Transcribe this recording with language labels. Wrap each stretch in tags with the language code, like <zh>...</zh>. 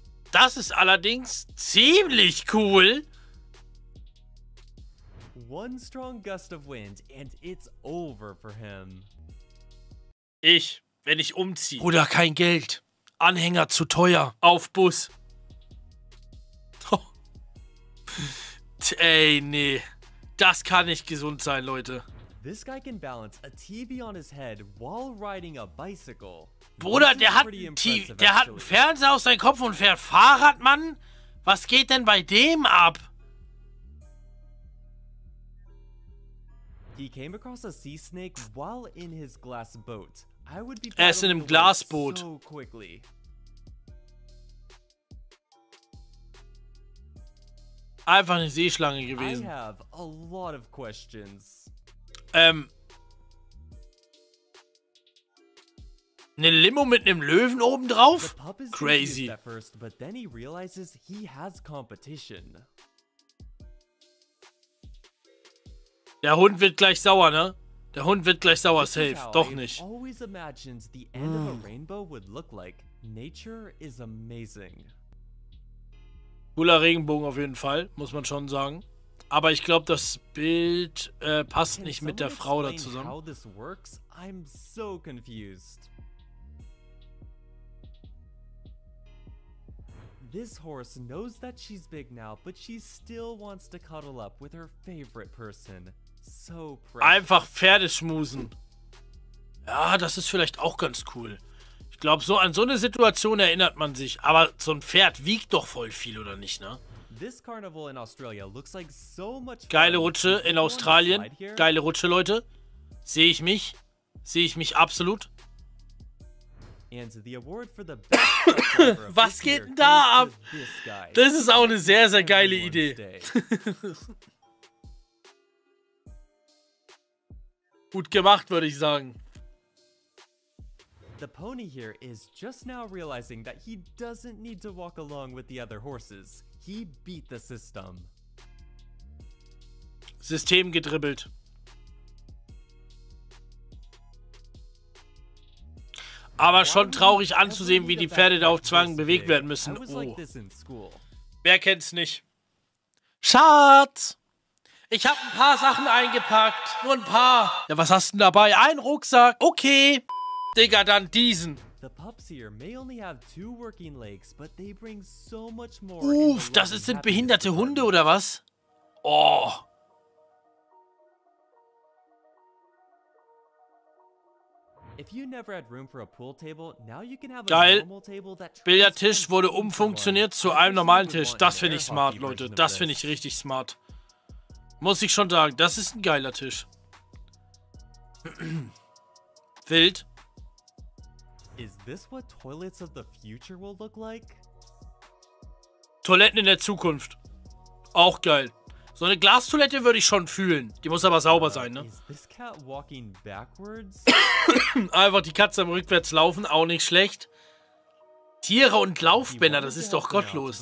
<de>Das ist allerdings ziemlich cool.</de> <en>One strong gust of wind and it's over for him.</en> <de>Ich, wenn ich umziehe. Oder kein Geld. Anhänger zu teuer. Auf Bus. Ey, nee. Das kann nicht gesund sein, Leute.</de> <en>This guy can balance a TV on his head while riding a bicycle.</en> <de>Bruder, der hat einen Fernseher auf seinem Kopf und fährt Fahrrad, Mann. Was geht denn bei dem ab?</de> <en>He came across a sea snake while in his glass boat. I would be</en> <de>er ist in einem Glasboot.</de> <en>So quickly.</en> <de>Einfach eine Seeschlange gewesen.</de> <en>I have a lot of questions.</en> <de>Eine Limo mit einem Löwen obendrauf?</de> <en>Crazy. First, but then he realizes he has competition.</en> <de>Der Hund wird gleich sauer, ne? Der Hund wird gleich sauer, safe. Doch nicht.</de> <en>Always imagined the end of a rainbow would look like. Nature is amazing.</en> <de>Cooler Regenbogen auf jeden Fall, muss man schon sagen. Aber ich glaube, das Bild passt nicht mit der Frau da zusammen.</de> <en>How this works? I'm so confused. This horse knows that she's big now, but she still wants to cuddle up with her favorite person. So precious.</en> <de>Einfach Pferdeschmusen. Ja, das ist vielleicht auch ganz cool. Ich glaube, so an so eine Situation erinnert man sich. Aber so ein Pferd wiegt doch voll viel, oder nicht, ne?</de> <en>This carnival in Australia looks like so much fun.</en> <de>Geile Rutsche in Australien. Geile Rutsche, Leute. Sehe ich mich? Sehe ich mich absolut?</de> <en>And the award for the best</en> <de>driver. Was geht denn da ab? Das ist auch eine sehr, sehr geile Idee. Gut gemacht, würde ich sagen.</de> <en>The pony here is just now realizing that he doesn't need to walk along with the other horses. He beat the system.</en> <de>System gedribbelt. Aber schon traurig anzusehen, wie die Pferde da auf Zwang bewegt werden müssen. Oh. Wer kennt's nicht? Schatz! Ich hab ein paar Sachen eingepackt. Nur ein paar. Ja, was hast du denn dabei? Ein Rucksack. Okay. Digga, dann diesen.</de> <en>The pups here may only have two working legs, but they bring so much more.</en> <de>Uff, das sind behinderte Hunde oder was? Oh.</de> <en>If you never had room for a pool table, now you can have a</en> <de>geil.</de> <en>Normal table that</en> <de>Billardtisch wurde umfunktioniert zu einem normalen Tisch. Das finde ich smart, Leute. Das finde ich richtig smart. Muss ich schon sagen, das ist ein geiler Tisch. Wild.</de> <en>Is this what toilets of the future will look like?</en> <de>Toiletten in der Zukunft. Auch geil. So eine Glastoilette würde ich schon fühlen. Die muss aber sauber sein, ne?</de> <en>Is this cat walking backwards?</en> <de>Einfach die Katze am Rückwärts laufen, auch nicht schlecht. Tiere und Laufbänder, das ist doch gottlos.</de>